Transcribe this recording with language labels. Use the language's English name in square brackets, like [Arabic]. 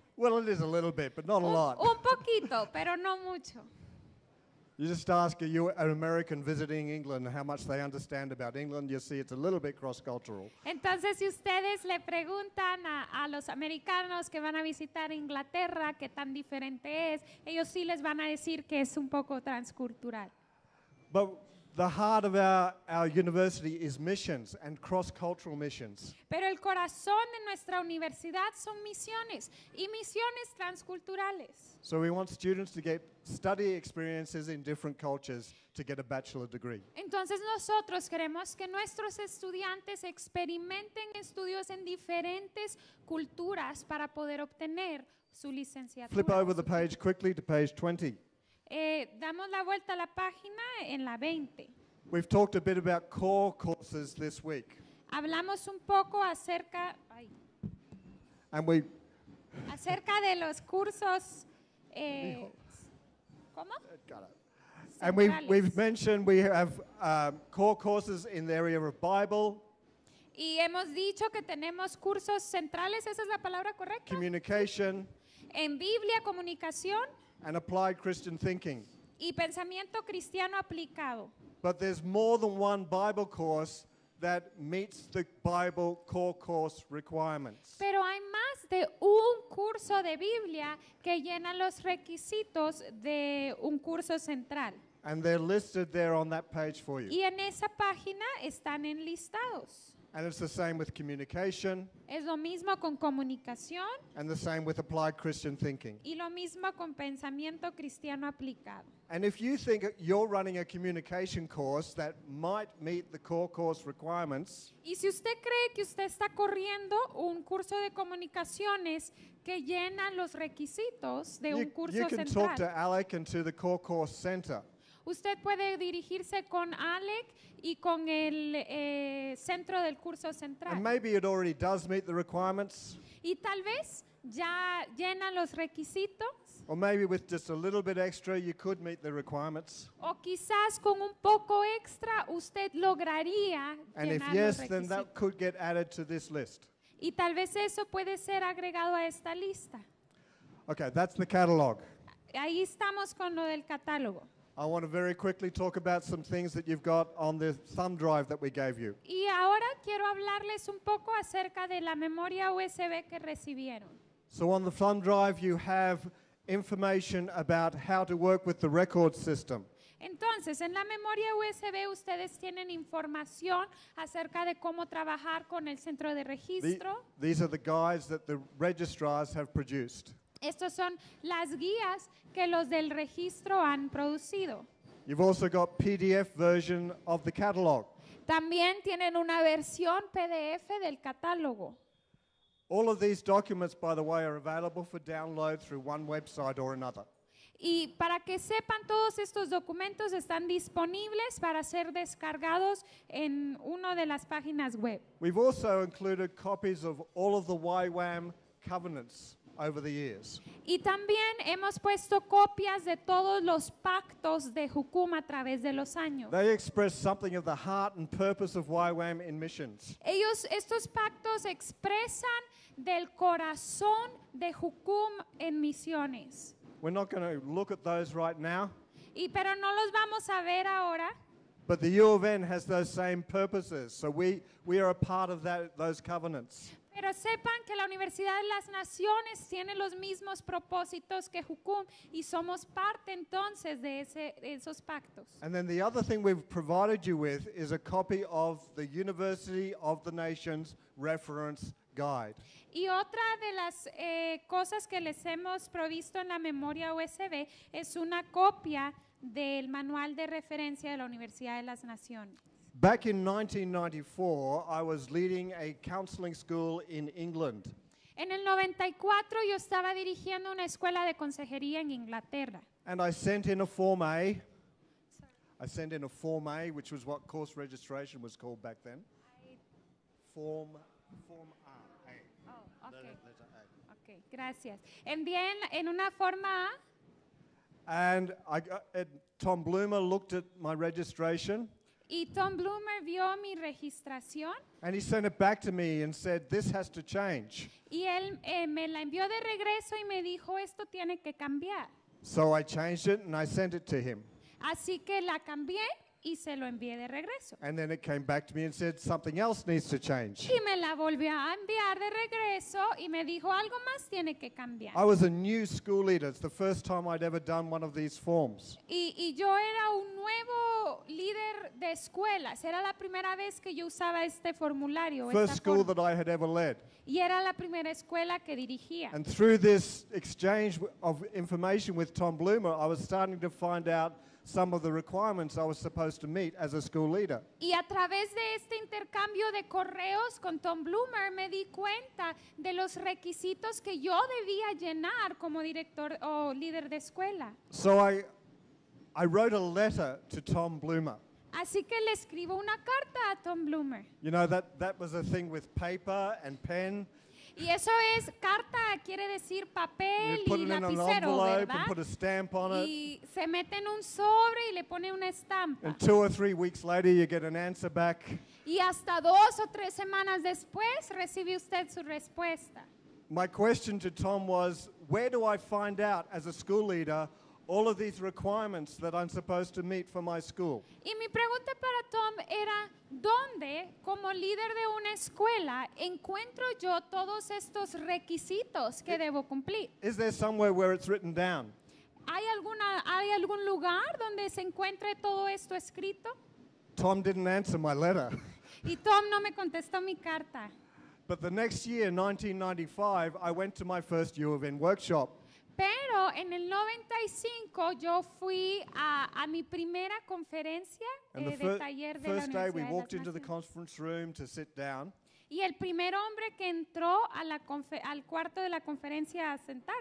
[English] Well, it is a little bit, but not a lot. [Spanish] Un poquito, pero no mucho. [English] You just ask an American visiting England how much they understand about England, you see it's a little bit cross-cultural. [Spanish] Entonces, si ustedes le preguntan a los americanos que van a visitar Inglaterra qué tan diferente es, ellos sí les van a decir que es un poco transcultural. [English] But the heart of our university is missions and cross-cultural missions. [Spanish] Pero el corazón de nuestra universidad son misiones y misiones transculturales. [English] So we want students to get study experiences in different cultures to get a bachelor degree. [Spanish] Entonces nosotros queremos que nuestros estudiantes experimenten estudios en diferentes culturas para poder obtener su licenciatura. [English] Flip over the page quickly to page 20. [Spanish] Damos la vuelta a la página en la 20. [English] We've talked a bit about core courses this week. [Spanish] Hablamos un poco acerca ay. [English] And we [Spanish] acerca de los cursos ¿cómo? [English] Got it. And we've mentioned we have core courses in the area of Bible. [Spanish] Y hemos dicho que tenemos cursos centrales, esa es la palabra correcta. [English] Communication. [Spanish] En Biblia, comunicación. [English] And applied Christian thinking. [Spanish] Y pensamiento cristiano aplicado. [English] But there's more than one Bible course that meets the Bible core course requirements. [Spanish] Pero hay más de un curso de Biblia que llena los requisitos de un curso central. [English] And they're listed there on that page for you. [Spanish] Y en esa página están enlistados. [English] And it's the same with communication. [Spanish] Es lo mismo con comunicación. [English] And the same with applied Christian thinking. [Spanish] Y lo mismo con pensamiento cristiano aplicado. [English] And if you think you're running a communication course that might meet the core course requirements, [Spanish] y si usted cree que usted está corriendo un curso de comunicaciones que llena los requisitos de un curso [English] central, you can talk to Alec and to the core course center. [Spanish] Usted puede dirigirse con Alec y con el centro del curso central. [English] And maybe it already does meet the requirements. [Spanish] Y tal vez ya llena los requisitos. [English] Or maybe with just a little bit extra you could meet the requirements. [Spanish] O quizás con un poco extra usted lograría llenar los requisitos. [English] And if yes, then that could get added to this list. [Spanish] Y tal vez eso puede ser agregado a esta lista. [English] Okay, that's the catalog. [Spanish] Ahí estamos con lo del catálogo. [English] I want to very quickly talk about some things that you've got on the thumb drive that we gave you. [Spanish] Y ahora quiero hablarles un poco acerca de la memoria USB que recibieron. [English] So on the thumb drive you have information about how to work with the record system. [Spanish] Entonces, en la memoria USB ustedes tienen información acerca de cómo trabajar con el centro de registro. [English] These are the guides that the registrars have produced. [Spanish] Estos son las guías que los del registro han producido. [English] You've also got PDF version of the catalog. [Spanish] También tienen una versión PDF del catálogo. [English] All of these documents, by the way, are available for download through one website or another. [Spanish] Y para que sepan, todos estos documentos están disponibles para ser descargados en una de las páginas web. [English] We've also included copies of all of the YWAM covenants. Over the years. [Spanish] Y también hemos puesto copias de todos los pactos de Hukum a través de los años. [English] They express something of the heart and purpose of YWAM in missions. [Spanish] Ellos, estos pactos expresan del corazón de Hukum en misiones. [English] We're not going to look at those right now. [Spanish] Y pero no los vamos a ver ahora. [English] But the U of N has those same purposes, so we are a part of that, those covenants. [Spanish] Pero sepan que la Universidad de las Naciones tiene los mismos propósitos que Hukum y somos parte entonces de esos pactos. [English] And then the other thing we've provided you with is a copy of the University of the Nations Reference Guide. [Spanish] Y otra de las cosas que les hemos provisto en la memoria USB es una copia del manual de referencia de la Universidad de las Naciones. [English] Back in 1994, I was leading a counseling school in England. [Spanish] En el 94, yo estaba dirigiendo una escuela de consejería en Inglaterra. [English] And I sent in a Form A. Sorry. I sent in a Form A, which was what course registration was called back then. Form A. Oh, okay. Letter A. Okay, [Spanish] gracias. Envié en una Forma A. [English] And Tom Bloomer looked at my registration. [Spanish] Y Tom Bloomer vio mi registración. [English] And he sent it back to me and said, "This has to change." [Spanish] Y él me la envió de regreso y me dijo, "Esto tiene que cambiar." [English] So I changed it and I sent it to him. [Spanish] Así que la cambié y se lo envié de regreso. [English] And then it came back to me and said, "Something else needs to change." [Spanish] Y me la volvió a enviar de regreso y me dijo, "Algo más tiene que cambiar." [English] I was a new school leader. It's the first time I'd ever done one of these forms. [Spanish] Y yo era un nuevo líder de escuelas. Era la primera vez que yo usaba este formulario. [English] First school that I had ever led. [Spanish] Y era la primera escuela que dirigía. [English] And through this exchange of information with Tom Bloomer, I was starting to find out some of the requirements I was supposed to meet as a school leader. [Spanish] Y a través de este intercambio de correos con Tom Bloomer, me di cuenta de los requisitos que yo debía llenar como director o líder de escuela. [English] So I wrote a letter to Tom Bloomer. [Spanish] Así que le escribo una carta a Tom Bloomer. [English] You know, that was a thing with paper and pen. [Spanish] Y eso es carta, quiere decir papel y lapicero, ¿verdad? [English] And put a stamp on it. [Spanish] Y se mete en un sobre y le pone una estampa. [English] And 2 or 3 weeks later you get an answer back. [Spanish] Y hasta 2 o 3 semanas después recibe usted su respuesta. [English] My question to Tom was, where do I find out as a school leader all of these requirements that I'm supposed to meet for my school? [Spanish] Y mi pregunta para Tom era, ¿dónde, como líder de una escuela, encuentro yo todos estos requisitos que debo cumplir? [English] Is there somewhere where it's written down? [Spanish] ¿Hay algún lugar donde se encuentre todo esto escrito? [English] Tom didn't answer my letter. [Spanish] Y Tom no me contestó mi carta. [English] But the next year, 1995, I went to my first UofN workshop. [Spanish] Pero en el 95 yo fui a mi primera conferencia y el primer hombre que entró a la al cuarto de la conferencia a sentarse.